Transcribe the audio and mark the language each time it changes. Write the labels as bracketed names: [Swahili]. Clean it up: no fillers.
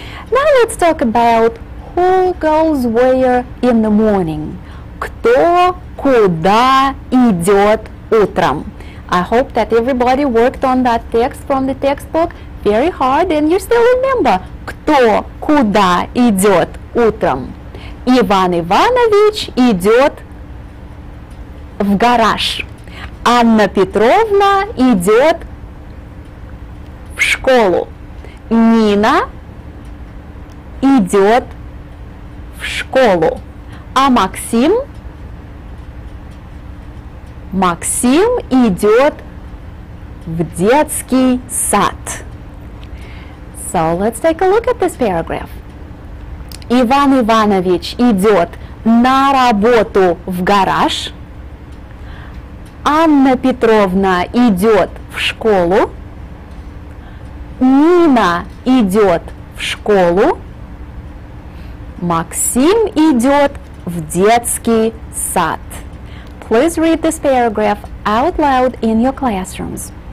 [English] Now let's talk about who goes where in the morning. [Russian] Кто куда идет утром? [English] I hope that everybody worked on that text from the textbook very hard and you still remember. [Russian] Кто куда идет утром? Иван Иванович идет в гараж. Анна Петровна идет в школу. Нина идет в школу. А Максим? Максим идет в детский сад. [English] So let's take a look at this paragraph. [Russian] Иван Иванович идет на работу в гараж. Анна Петровна идет в школу. Нина идет в школу. Максим идет в детский сад. [English] Please read this paragraph out loud in your classrooms.